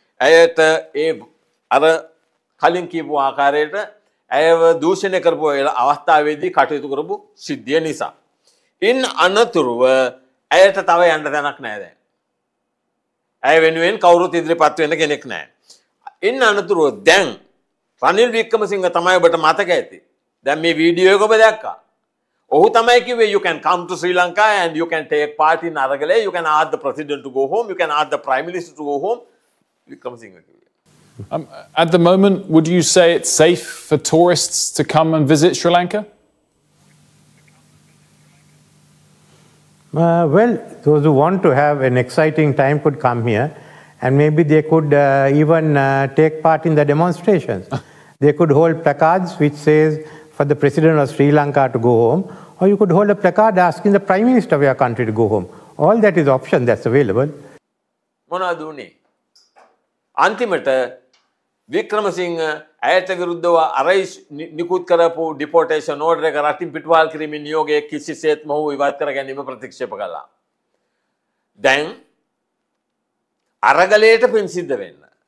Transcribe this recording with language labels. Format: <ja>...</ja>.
<si>ඇයට ඒ අර කලින් කියපු ආකාරයට ඇයව දූෂණය කරපු අවස්ථාවේදී කටයුතු කරපු සිද්ධිය නිසා. ඉන් අනතුරුව ඇයට තව යන්න තැනක් නැහැ දැන්. ඇය වෙනුවෙන් කවුරුත් ඉදිරිපත් වෙන කෙනෙක් නැහැ. ඉන් අනතුරුව දැන් රනිල් වික්‍රමසිංහ තමයි ඔබට මතක ඇති. දැන් මේ වීඩියෝ එක ඔබ දැක්කා. ඔහු තමයි කිව්වේ</si> <en>you can come to Sri Lanka and you can take part in Aragale, you can ask the president to go home, you can ask the prime minister to go home.</en> <si>Wickremesinghe කිව්වේ.</si> <en>At the moment, would you say it's safe for tourists to come and visit Sri Lanka? Well, those who want to have an exciting time could come here, and maybe they could take part in the demonstrations. They could hold placards which says for the president of Sri Lanka to go home. Or you could hold a placard asking the prime minister of your country to go home. All that is option that's available.</en> <si>මොනවද උනේ? අන්තිමට වික්‍රමසිංහ ඇයට විරුද්ධව අරයිස් නිකුත් කරපු ඩිපෝටේෂන් order එක රටින් පිටවාල් කිරීමේ නියෝගයේ කිසිසේත් මොහු ඉවත් කර ගැනීම ප්‍රතික්ෂේප කළා. දැන් අරගලයට පින් සිද්ධ වෙන්න.</si>